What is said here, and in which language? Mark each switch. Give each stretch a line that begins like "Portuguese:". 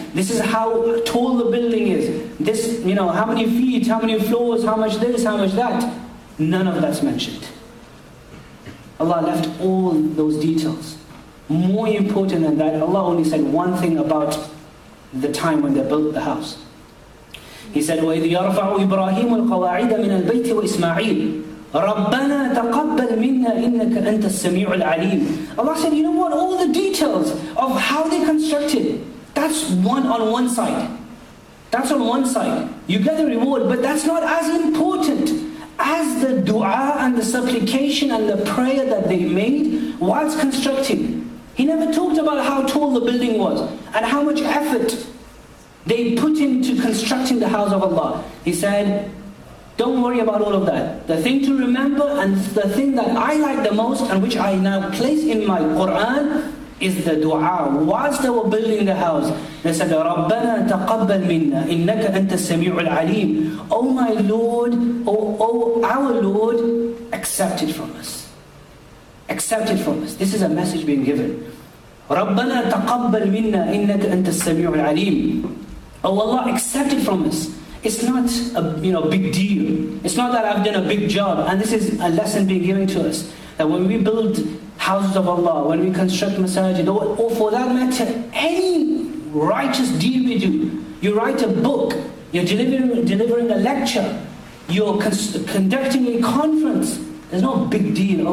English: This is how tall the building is. This, you know, how many feet, how many floors, how much this, how much that. None of that's mentioned. Allah left all those details. More important than that, Allah only said one thing about the time when they built the house.
Arabic: He said, وَإِذْ يَرْفَعُ إِبْرَاهِيمُ الْقَوَاعِدَ مِنَ الْبَيْتِ وَإِسْمَعِيلِ رَبَّنَا تَقَبَّلْ مِنَّا إِنَّكَ أَنْتَ السَّمِيعُ الْعَلِيمُ
English: Allah said, you know what? All the details of how they constructed, that's one on one side. That's on one side. You get the reward, but that's not as important as the dua and the supplication and the prayer that they made whilst constructing. He never talked about how tall the building was and how much effort they put into constructing the house of Allah. He said, don't worry about all of that. The thing to remember and the thing that I like the most and which I now place in my Quran is the dua. Whilst they were building the house, they said,
Arabic: رَبَّنَا تَقَبَّلْ مِنَّا إِنَّكَ أَنْتَ السَّمِيعُ الْعَلِيمُ
English: Oh my Lord, oh our Lord, accept it from us. Accept it from us. This is a message being given.
Arabic: رَبَّنَا تَقَبَّلْ مِنَّا إِنَّكَ أَنْتَ السَّمِيعُ الْعَلِيمُ
English: Oh Allah, accept it from us. It's not a big deal. It's not that I've done a big job. And this is a lesson being given to us. That when we build houses of Allah, when we construct masajid, or for that matter, any righteous deed we do, you write a book, you're delivering a lecture, you're conducting a conference, there's no big deal.